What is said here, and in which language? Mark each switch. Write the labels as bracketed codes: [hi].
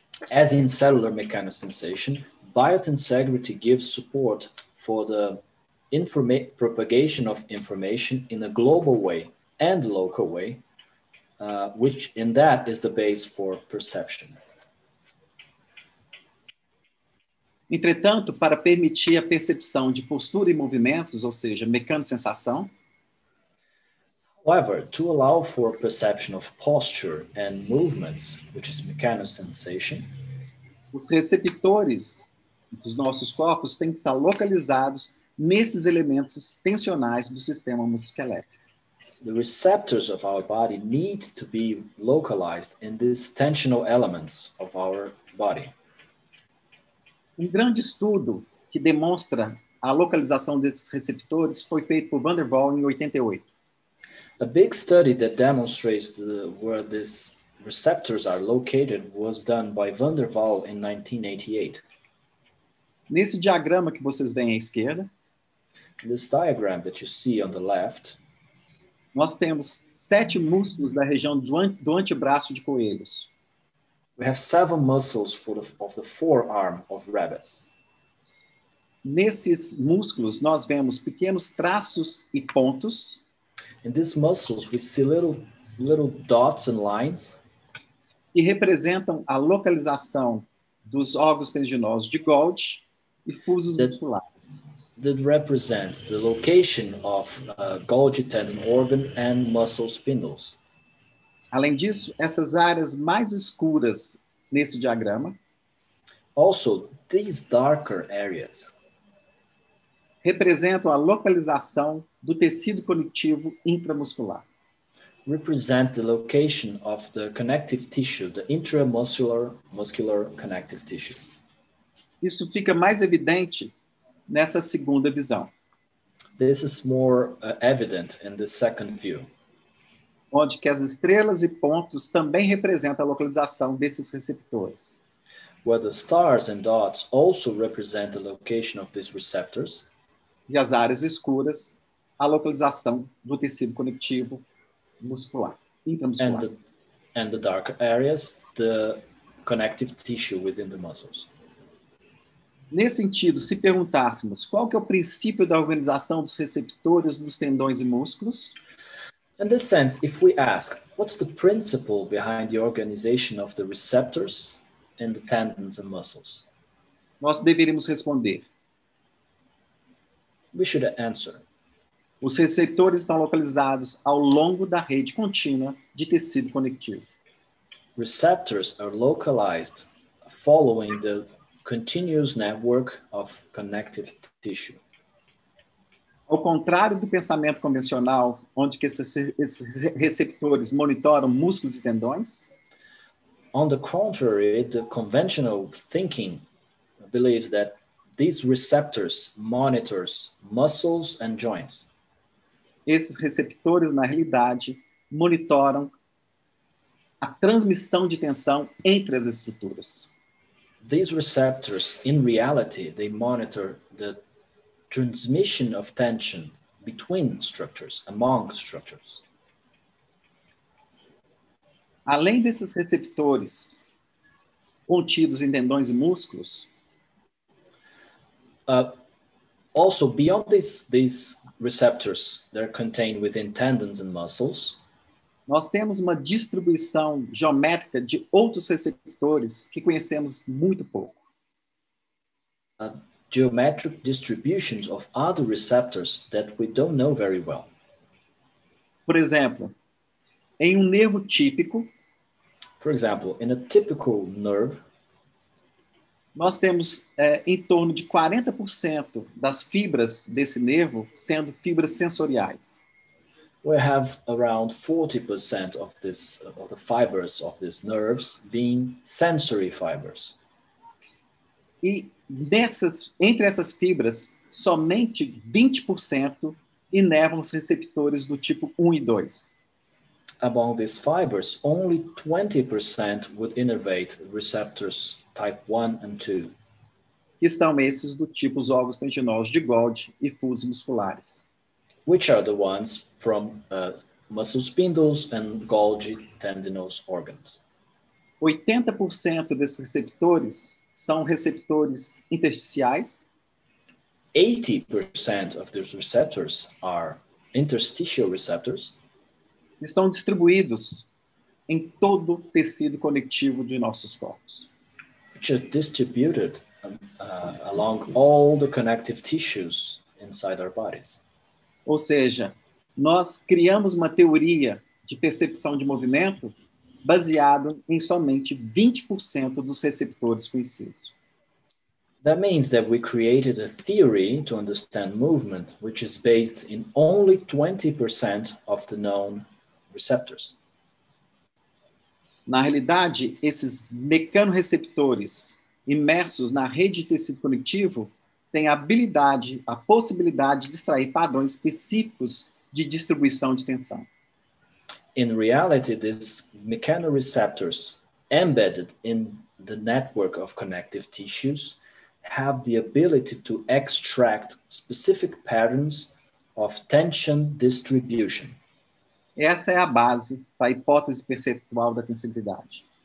[en] as in cellular mechanosensation, biotensegrity gives support for the propagation of information in a global way and local way, which in that is the base for perception. [pt] Entretanto, para permitir a percepção de postura e movimentos, ou seja, mecanosensação, [en] however, to allow for perception of posture and movements, which is mechanosensation, [pt] os receptores dos nossos corpos têm que estar localizados nesses elementos tensionais do sistema musculoesquelético. [en] The receptors of our body need to be localized in these tensional elements of our body. [pt] Um grande estudo que demonstra a localização desses receptores foi feito por Van der Waal em 88. [en] A big study that demonstrates where these receptors are located was done by Van der Waal in 1988. [pt] Nesse diagrama que vocês veem à esquerda, [en] this diagram that you see on the left, [pt] nós temos 7 músculos da região do antebraço de coelhos. [en] We have 7 muscles of the forearm of rabbits. [pt] Nesses músculos, nós vemos pequenos traços e pontos. [en] In these muscles, we see little dots and lines [pt] que representam a localização dos órgãos tendinosos de Golgi e fusos musculares. [en] That represents the location of Golgi tendon organ and muscle spindles. [pt] Além disso, essas áreas mais escuras nesse diagrama, [en] also, these darker areas [pt] representam a localização do tecido conectivo intramuscular. [en] Represent the location of the connective tissue, the intramuscular muscular connective tissue. [pt] Isso fica mais evidente nessa segunda visão. [en] This is more evident in the second view. [pt] Onde que as estrelas e pontos também representam a localização desses receptores. [en] Where the stars and dots also represent the location of these receptors. [pt] E as áreas escuras, a localização do tecido conectivo muscular, intramuscular. [en] And the darker areas, the connective tissue within the muscles. [pt] Nesse sentido, se perguntássemos qual que é o princípio da organização dos receptores dos tendões e músculos, [en] in this sense, if we ask, what's the principle behind the organization of the receptors in the tendons and muscles? [pt] Nós deveríamos responder. [en] We should answer. [pt] Os receptores estão localizados ao longo da rede contínua de tecido conectivo. [en] Receptors are localized following the continuous network of connective tissue. [pt] Ao contrário do pensamento convencional, onde que esses receptores monitoram músculos e tendões, [en] on the contrary, the conventional thinking believes that these receptors monitor muscles and joints. [pt] Esses receptores, na realidade, monitoram a transmissão de tensão entre as estruturas. [en] These receptors, in reality, they monitor the transmission of tension between structures, among structures. [pt] Além desses receptores contidos em tendões e músculos, [en] also, beyond these receptors that are contained within tendons and muscles, [pt] nós temos uma distribuição geométrica de outros receptores que conhecemos muito pouco. [en] Geometric distributions of other receptors that we don't know very well. [pt] Por exemplo, em um nervo típico, [en] for example, in a typical nerve, [pt] nós temos em torno de 40% das fibras desse nervo sendo fibras sensoriais. [en] We have around 40% of this of the fibers of these nerves being sensory fibers. [pt] E entre essas fibras, somente 20% inervam os receptores do tipo 1 e 2. [en] Among these fibers, only 20% would innervate receptors type 1 and 2. [pt] Que são esses do tipo os órgãos tendinosos de Golgi e fusos musculares. [en] Which are the ones from muscle spindles and Golgi tendinous organs. [pt] 80% desses receptores são receptores intersticiais. [en] 80% of these receptors are interstitial receptors. [pt] Estão distribuídos em todo o tecido conectivo de nossos corpos. [en] Which are distributed along all the connective tissues inside our bodies. [pt] Ou seja, nós criamos uma teoria de percepção de movimento baseado em somente 20% dos receptores conhecidos. [en] That means that we created a theory to understand movement, which is based in only 20% of the known receptors. [pt] Na realidade, esses mecanorreceptores imersos na rede de tecido conectivo têm a habilidade, a possibilidade de extrair padrões específicos de distribuição de tensão. [en] In reality, these mechanoreceptors embedded in the network of connective tissues have the ability to extract specific patterns of tension distribution. [pt] Essa é a base da hipótese perceptual da tensibilidade.